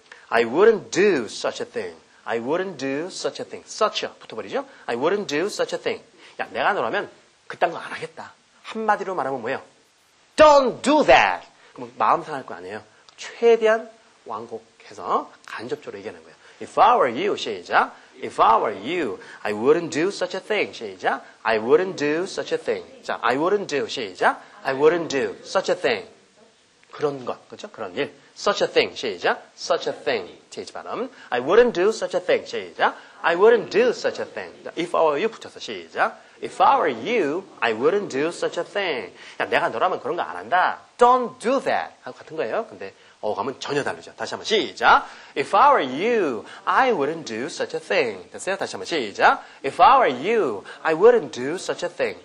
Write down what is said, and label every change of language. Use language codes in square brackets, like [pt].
[en] I wouldn't do such a thing. I wouldn't do such a thing. Such [ko] 붙어버리죠? [en] I wouldn't do such a thing. [ko] 야, 내가 너라면 그딴 거 안 하겠다. 한마디로 말하면 뭐예요? [en] Don't do that. [ko] 그럼 마음 상할 거 아니에요. 최대한 완곡해서 간접적으로 얘기하는 거예요. [en] If I were you, 시작. If I were you, I wouldn't do such a thing. 시작. I wouldn't do such a thing. 자, I wouldn't do, 시작. I wouldn't do such a thing. [ko] 그런 것, 그렇죠? 그런 일. [en] Such a thing, 시작. Such a thing, TH 발음. I wouldn't do such a thing, 시작. I wouldn't do such a thing. If I were you, [ko] 붙여서 시작. [en] If I were you, I wouldn't do such a thing. [ko] 야, 내가 너라면 그런 거 안 한다. [en] Don't do that. [ko] 하고 같은 거예요. 근데 어감은 전혀 다르죠. 다시 한번 시작. [en] If I were you, I wouldn't do such a thing. [ko] 됐어요? 다시 한번 시작. [en] If I were you, I wouldn't do such a thing.